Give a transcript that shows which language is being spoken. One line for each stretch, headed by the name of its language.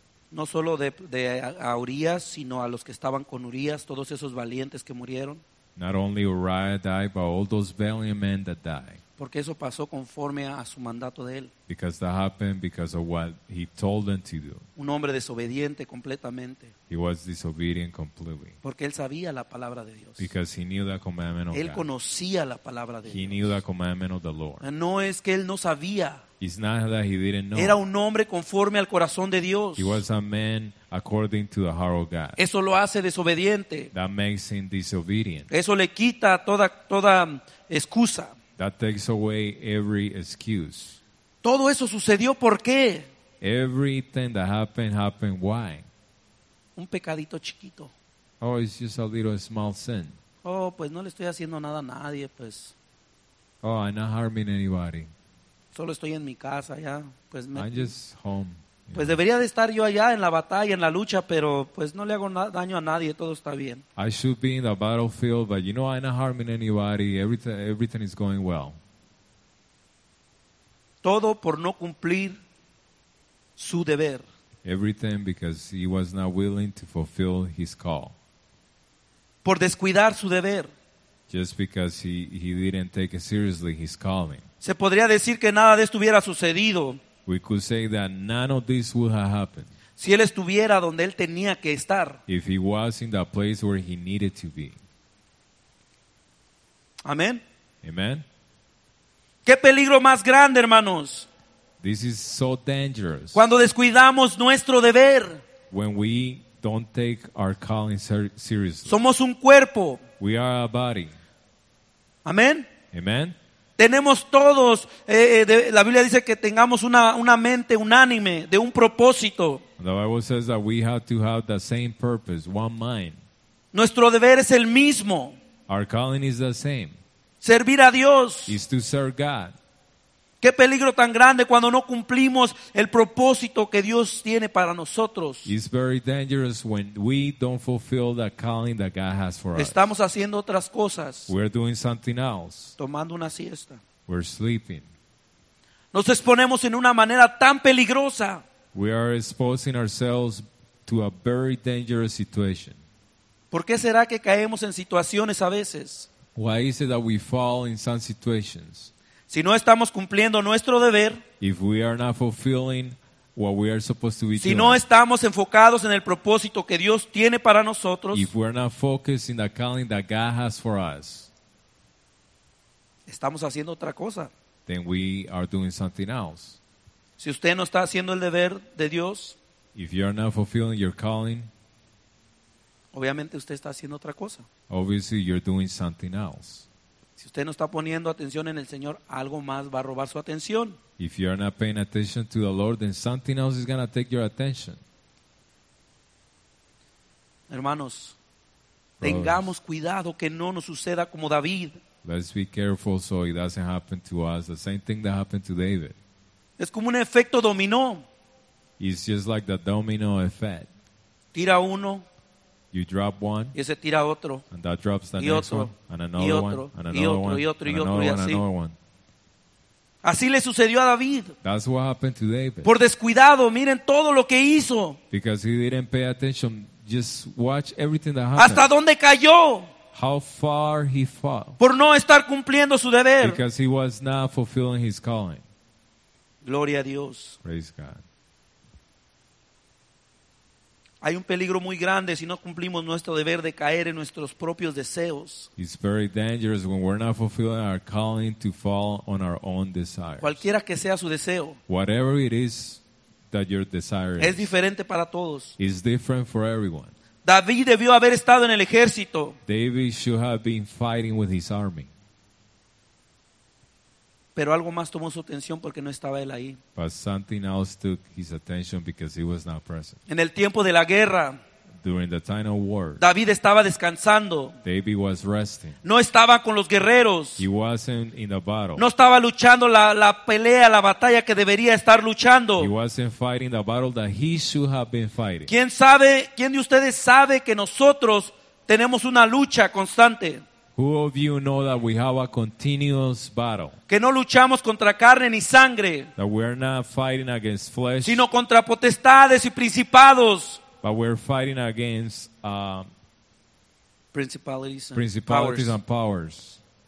Spanish: No solo de a Urias, sino a los que estaban con Urias, todos esos valientes que murieron.
English: Not only Uriah died, but all those valiant men that died.
Spanish: Porque eso pasó conforme a su mandato de él.
English: Because that happened because of what he told them to do.
Spanish: Un hombre desobediente completamente.
English: He was disobedient completely.
Spanish: Porque él sabía la palabra de Dios.
English: Because he knew the commandment of
Spanish: él
English: God.
Spanish: Conocía la palabra de
English: he
Spanish: Dios.
English: He knew the commandment of the Lord.
Spanish: No es que él no sabía.
English: It's not that he didn't know.
Spanish: Era un hombre conforme al corazón de Dios.
English: He was a man according to the heart of God.
Spanish: Eso lo hace desobediente.
English: That makes him disobedient.
Spanish: Eso le quita toda excusa.
English: That takes away every excuse.
Spanish: Todo eso sucedió, ¿por qué?
English: Everything that happened, why?
Spanish: Un pecadito chiquito.
English: Oh, it's just a little small sin.
Spanish: Oh, pues no le estoy haciendo nada a nadie, pues.
English: Oh, I'm not harming anybody.
Spanish: Solo estoy en mi casa, ya. Pues me...
English: I'm just home.
Spanish: Pues
English: know.
Spanish: Debería de estar yo allá en la batalla, en la lucha, pero pues no le hago daño a nadie, todo está bien.
English: I should be in the battlefield, but you know I'm not harming anybody, everything is going well.
Spanish: Todo por no cumplir su deber.
English: Everything because he was not willing to fulfill his call.
Spanish: Por descuidar su deber.
English: Just because he didn't take seriously his calling.
Spanish: Se podría decir que nada de esto hubiera sucedido.
English: We could say that none of this would have happened.
Spanish: Si él estuviera donde él tenía que estar.
English: If he was in the place where he needed to be.
Spanish: Amen.
English: Amen.
Spanish: ¿Qué peligro más grande, hermanos?
English: This is so dangerous.
Spanish: Cuando descuidamos nuestro deber.
English: When we don't take our calling seriously.
Spanish: Somos un cuerpo.
English: We are a body.
Spanish: Amen.
English: Amen.
Spanish: Tenemos todos, la Biblia dice que tengamos una mente unánime, de un propósito.
English: The Bible says that we have to have the same purpose, one mind.
Spanish: Nuestro deber es el mismo.
English: Our calling is the same.
Spanish: Servir a Dios.
English: Is to serve God.
Spanish: Qué peligro tan grande cuando no cumplimos el propósito que Dios tiene para nosotros.
English: It's very dangerous when we don't fulfill the calling that God has for us.
Spanish: Estamos haciendo otras cosas.
English: We're doing something else.
Spanish: Tomando una siesta.
English: We're sleeping.
Spanish: Nos exponemos en una manera tan peligrosa.
English: We are exposing ourselves to a very dangerous situation.
Spanish: ¿Por qué será que caemos en situaciones a veces?
English: Why is it that we fall in some situations?
Spanish: Si no estamos cumpliendo nuestro deber,
English: if we are not fulfilling what we are supposed to be
Spanish: si
English: doing,
Spanish: no estamos enfocados en el propósito que Dios tiene para nosotros,
English: if we are not focused in the calling that God has for us,
Spanish: estamos haciendo otra cosa.
English: Then we are doing something else.
Spanish: Si usted no está haciendo el deber de Dios,
English: if you are not fulfilling your calling,
Spanish: obviamente usted está haciendo otra cosa.
English: Obviously you're doing something else.
Spanish: Si usted no está poniendo atención en el Señor, algo más va a robar su atención.
English: If you are not paying attention to the Lord, then something else is going to take your attention.
Spanish: Hermanos,
English: brothers,
Spanish: tengamos cuidado que no nos suceda como David.
English: Let's be careful so it doesn't happen to us. The same thing that happened to David.
Spanish: Es como un efecto dominó.
English: It's just like the domino effect.
Spanish: Tira uno.
English: You drop one.
Spanish: Y ese tira otro.
English: And that drops the
Spanish: y
English: next
Spanish: otro,
English: one. And another
Spanish: otro,
English: one. And another
Spanish: otro,
English: one.
Spanish: Y otro,
English: and
Spanish: y
English: another
Spanish: Y así.
English: And another one.
Spanish: Así le sucedió a David.
English: That's what happened to David.
Spanish: Por descuidado, miren todo lo que hizo.
English: Because he didn't pay attention. Just watch everything that happened.
Spanish: Hasta dónde cayó.
English: How far he fell.
Spanish: Por no estar cumpliendo su deber.
English: Because he was not fulfilling his calling.
Spanish: Gloria a Dios.
English: Praise God.
Spanish: Hay un peligro muy grande si no cumplimos nuestro deber de caer en nuestros propios deseos.
English: It's very dangerous when we're not fulfilling our calling to fall on our own desires.
Spanish: Cualquiera que sea su deseo.
English: Whatever it is that your desire is.
Spanish: Es diferente para todos.
English: It's different for everyone.
Spanish: David debió haber estado en el ejército.
English: David should have been fighting with his army.
Spanish: Pero algo más tomó su atención porque no estaba él ahí.
English: But something else took his attention because he was not present.
Spanish: En el tiempo de la guerra,
English: during the time of war,
Spanish: David estaba descansando.
English: David was resting.
Spanish: No estaba con los guerreros.
English: He wasn't in the battle.
Spanish: No estaba luchando la pelea, la batalla que debería estar luchando.
English: He wasn't fighting the battle that he should have been fighting.
Spanish: ¿Quién sabe? ¿Quién de ustedes sabe que nosotros tenemos una lucha constante?
English: Who of you know that we have a continuous battle?
Spanish: Que no luchamos contra carne ni sangre.
English: That we're not fighting against flesh.
Spanish: Sino contra potestades y principados.
English: But we're fighting against principalities and powers.